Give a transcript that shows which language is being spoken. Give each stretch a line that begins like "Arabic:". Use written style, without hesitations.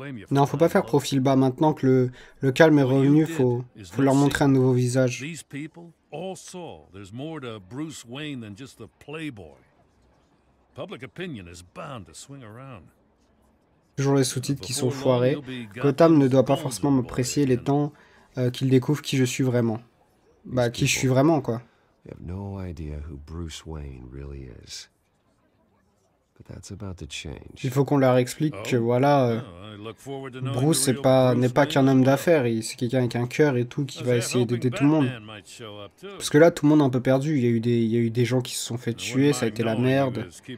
French: Non, faut pas faire profil bas maintenant que le calme est revenu, faut leur montrer un nouveau visage.
English: These people all saw there's more to Bruce Wayne than just the playboy. Public opinion is bound to swing around.
French: Toujours les sous-titres qui sont foirés. Gotham ne doit pas forcément m'apprécier les temps qu'il découvre qui je suis vraiment. Bah, qui je suis vraiment, quoi.
English: You have no idea who Bruce Wayne really is. But that's about to change.
French: Il faut qu'on leur explique que voilà, Bruce n'est pas qu'un homme d'affaires, c'est quelqu'un avec un cœur et tout qui va essayer d'aider tout le monde. Parce que là, tout le monde est un peu perdu. Il y a eu des gens qui se sont fait tuer, ça a été la merde.